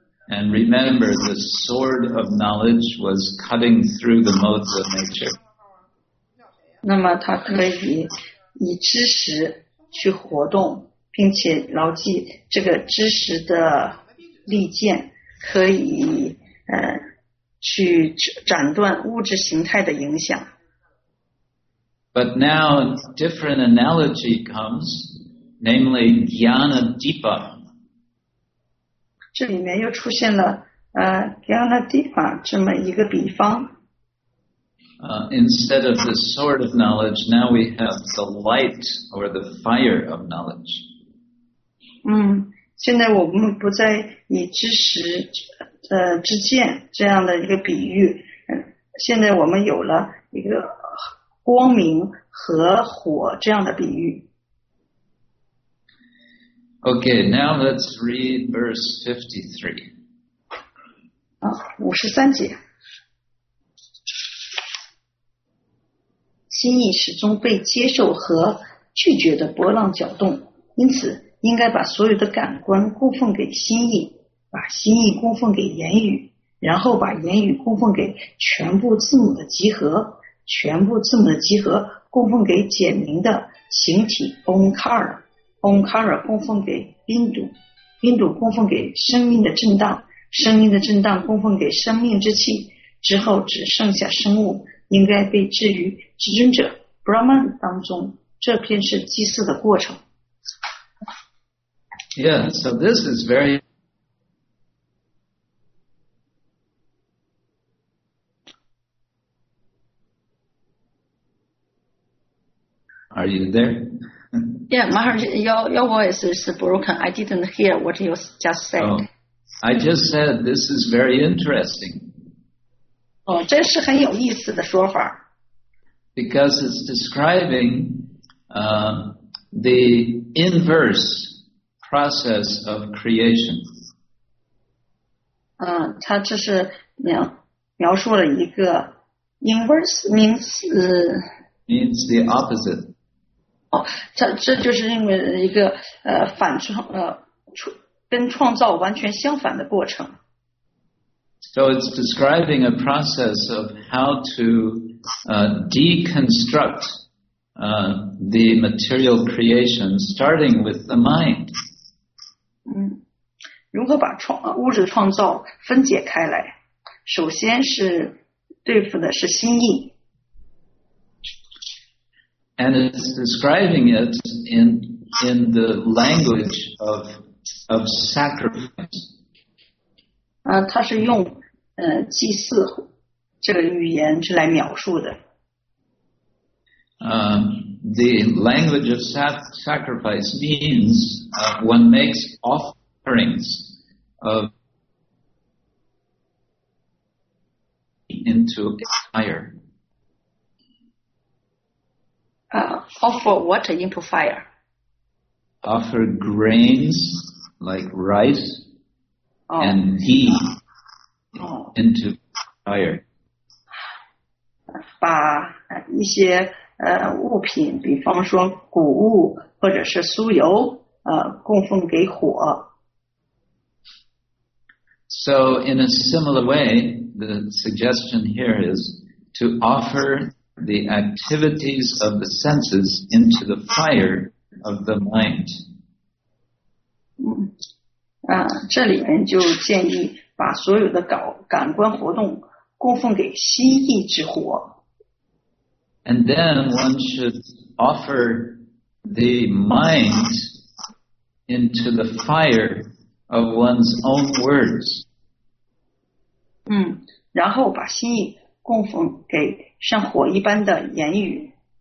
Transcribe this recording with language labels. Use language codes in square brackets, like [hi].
[en] And remember, the sword of knowledge was cutting through the modes of nature. [zh] 那么他可以以知识去活动，并且牢记这个知识的利剑可以去斩断物质形态的影响。 [en] But now a different analogy comes, namely Jnana Deepa. [zh] 这里面又出现了Jnana Deepa 这么一个比方。 [en] Instead of the sword of knowledge, now we have the light or the fire of knowledge. [zh] 现在我们不再以知识之剑这样的一个比喻，现在我们有了一个光明和火这样的比喻。 [en] Okay, now let's read verse 53. [zh] 53节。心意始终被接受和拒绝的波浪搅动，因此应该把所有的感官供奉给心意，把心意供奉给言语，然后把言语供奉给全部字母的集合，全部字母的集合供奉给简明的形体 Omkara， Omkara 供奉给宾堵，宾堵供奉给生命的震荡，生命的震荡供奉给生命之气，之后只剩下生物应该被置于至尊者 Brahman 当中。这篇是祭祀的过程。 [en] Yeah, so this is very Are you there? Yeah, Maharaj, your voice is broken. I didn't hear what you just said. Oh, I just said this is very interesting. [zh] Oh, 这是很有意思的说法。 [en] Because it's describing the inverse process of creation. [zh] 它这是描述了一个 [en] inverse means means the opposite. [zh] 这就是因为一个反创跟创造完全相反的过程。 [en] So it's describing a process of how to deconstruct the material creation, starting with the mind. [zh] 如何把物质创造分解开来，首先是对付的是心意。 [en] And it's describing it in the language of sacrifice. [zh] 它是用祭祀这个语言是来描述的。 [en] The language of sacrifice means one makes offerings of into a fire. Offer what into fire? Offer grains like rice and ghee into fire. [zh] 把一些物品，比方说谷物或者是酥油，供奉给火。 [en] So in a similar way, the suggestion here is to offer the activities of the senses into the fire of the mind. [zh] 这里面就建议把所有的感官活动供奉给心意之火。 [en] And then one should offer the mind into the fire of one's own words. [zh] 然后把心意供奉给像火一般的言语。